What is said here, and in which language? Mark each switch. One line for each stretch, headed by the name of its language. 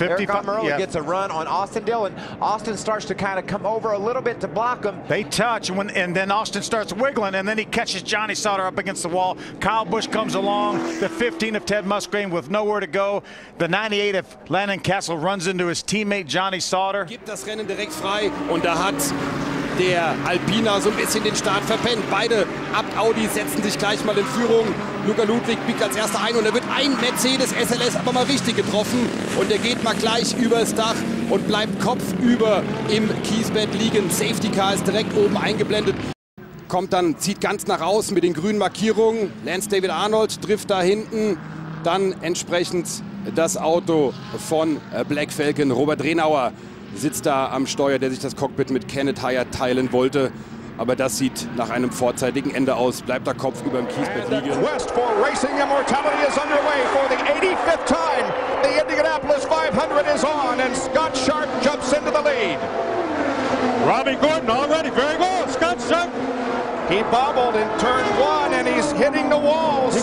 English: Eric Amarola, yeah, gets a run on Austin Dillon. Austin starts to kind of come over a little bit to block him. They touch, and then Austin starts wiggling, and then he catches Johnny Sauter up against the wall. Kyle Busch comes along. The 15 of Ted Musgrave with nowhere to go. The 98 of Landon Cassel runs into his teammate Johnny Sauter.
German: Gibt das Rennen direkt frei, und da hat der Alpina so ein bisschen den Start verpennt. Beide Abt Audi setzen sich gleich mal in Führung. Luca Ludwig biegt als erster ein, und da wird ein Mercedes SLS aber mal richtig getroffen. Und der geht mal gleich übers Dach und bleibt kopfüber im Kiesbett liegen. Safety Car ist direkt oben eingeblendet. Kommt dann, zieht ganz nach außen mit den grünen Markierungen. Lance David Arnold trifft da hinten. Dann entsprechend das Auto von Black Falcon. Robert Renauer sitzt da am Steuer, der sich das Cockpit mit Kenneth Hayer teilen wollte. Aber das sieht nach einem vorzeitigen Ende aus. Bleibt der Kopf über dem Kiesbett liegen.
English: The quest for racing immortality is underway for the 85th time. The Indianapolis 500 is on, and Scott Sharp jumps into the lead. Robbie Gordon already very well. Scott Sharp. He bobbled in turn one, and he's hitting the walls.